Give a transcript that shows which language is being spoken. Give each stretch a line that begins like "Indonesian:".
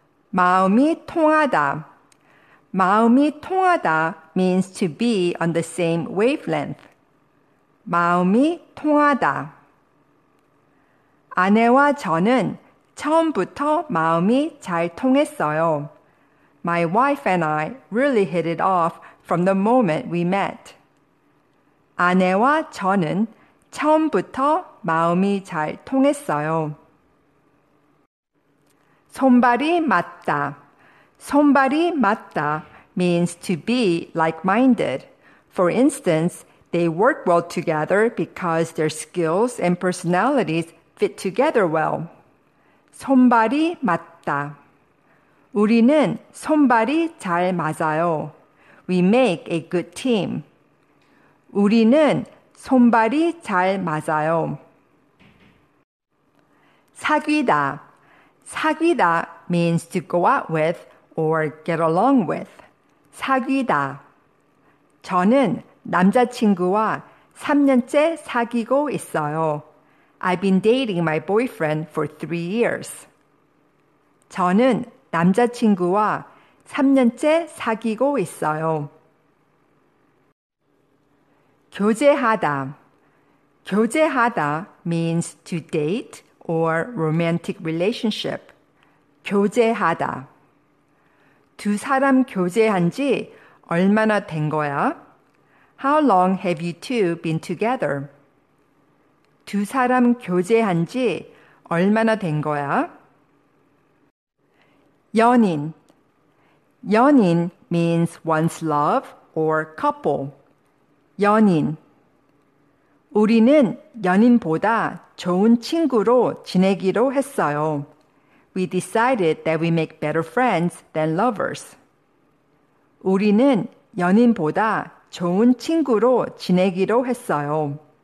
Korean: 마음이 통하다. 마음이 통하다
English: means to be on the same wavelength.
Korean: 마음이 통하다. 아내와 저는 처음부터 마음이 잘 통했어요.
English: My wife and I really hit it off from the moment we met.
Korean: 아내와 저는 처음부터 마음이 잘 통했어요. 손발이 맞다. 손발이 맞다
English: means to be like-minded. For instance, they work well together because their skills and personalities fit together well.
Korean: 손발이 맞다. 우리는 손발이 잘 맞아요.
English: We make a good team.
Korean: 우리는 손발이 잘 맞아요. 사귀다.
English: 사귀다 means to go out with or get along with.
Korean: 사귀다. 저는 남자친구와 3년째 사귀고 있어요.
English: I've been dating my boyfriend for 3 years.
Korean: 저는 남자친구와 3년째 사귀고 있어요. 교제하다. 교제하다
English: means to date or romantic relationship.
Korean: 교제하다. 두 사람 교제한 지 얼마나 된 거야?
English: How long have you two been together?
Korean: 두 사람 교제한 지 얼마나 된 거야?
English: 연인. 연인 means one's love or couple. 연인.
Korean: 우리는 연인보다 좋은 친구로 지내기로 했어요.
English: We decided that we make better friends than lovers.
Korean: 우리는 연인보다 좋은 친구로 지내기로 했어요.